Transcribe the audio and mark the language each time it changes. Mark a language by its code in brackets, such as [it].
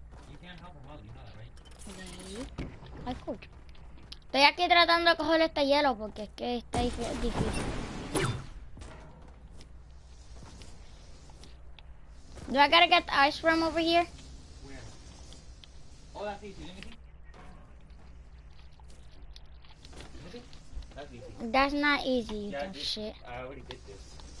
[en] You can't help him out, you know that, right? Okay. I could. [es] Estoy aquí tratando de coger este hielo porque es que está difícil. [en] Do I gotta get the ice from over here? Oh, that's easy. Let me see. That's easy. That's not easy, you yeah, dumb shit. I already did this.